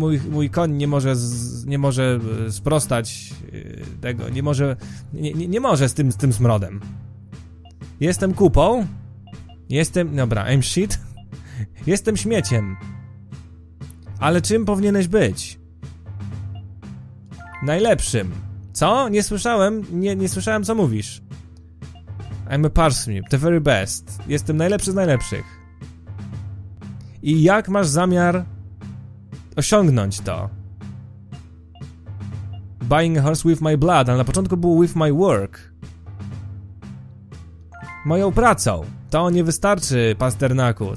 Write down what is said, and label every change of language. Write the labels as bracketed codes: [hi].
[pl] Mój koń nie może sprostać tego, nie może z tym smrodem. Jestem kupą. Jestem... Dobra, [en] I'm shit. [pl] Jestem śmieciem. Ale czym powinieneś być? Najlepszym. Co? Nie słyszałem, co mówisz. [en] I'm a parsnip, the very best. [pl] Jestem najlepszy z najlepszych. I jak masz zamiar osiągnąć to? [en] Buying a horse with my blood, [pl] ale na początku było [en] with my work. [pl] Moją pracą. To nie wystarczy, Pasternaku.